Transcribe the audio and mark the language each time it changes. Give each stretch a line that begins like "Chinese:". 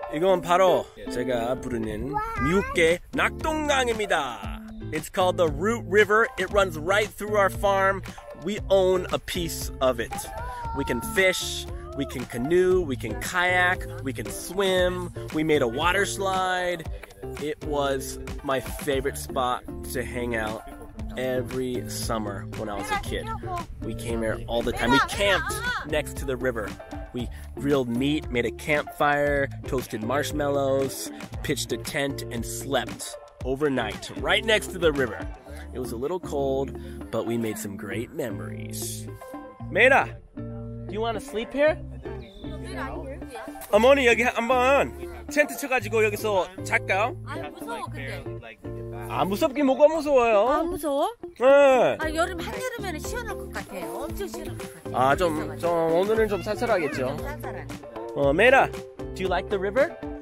Korean: 이건 바로 제가 부르는 미국의 낙동강입니다.
English: It's called the Root River. It runs right through our farm. We own a piece of it. We can fish, we can canoe, we can kayak, we can swim. We made a water slide. It was my favorite spot to hang out every summer when I was a kid. We came here all the time. We camped next to the river. We grilled meat, made a campfire, toasted marshmallows, pitched a tent, and slept overnight right next to the river. It was a little cold, but we made some great memories. Meira, do you want to sleep here? No, Meira, I'm here.
Korean: Amoni, 여기 한번 텐트 쳐가지고 여기서 잘까요? 아, 무서워, 근데. 아, 무섭긴 뭐가 무서워요. 아, 무서워? 네. 아, 여름, 한여름에는 시원할 것 같아요. 엄청 시원할 것 같아요. 아, 좀, 오늘은 좀 쌀쌀하겠죠? 쌀쌀하네.
English: 메라, do you like the river?